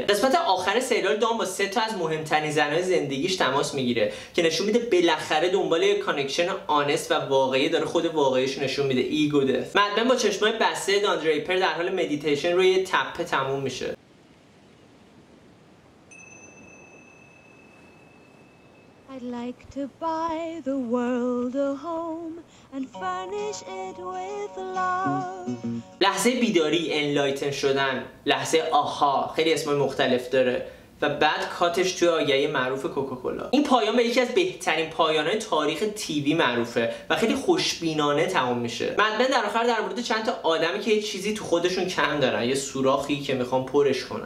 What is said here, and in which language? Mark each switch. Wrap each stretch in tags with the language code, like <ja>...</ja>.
<fa>قسمت آخر سریال دام با سه تا از مهمترین زنهای زندگیش تماس میگیره که نشون میده بالاخره دنبال یه کانکشن آنست و واقعی داره خود واقعیش نشون میده. ایگو دث. مدمن با چشمای بسته دان دریپر در حال مدیتیشن روی تپه تموم میشه.</fa> <en>I'd like to buy the world a home and furnish it with love.</en> <fa>لحظه بیداری، انلایتن شدن، لحظه آها، خیلی اسم مختلف داره و بعد کاتش توی آگهی معروف کوکاکولا. این پایان به یکی از بهترین پایانهای تاریخ تیوی معروفه و خیلی خوشبینانه تموم میشه. مدمن در آخر در مورد چند تا آدمی که یه چیزی تو خودشون کم دارن، یه سوراخی که میخوام پرش کنن.</fa>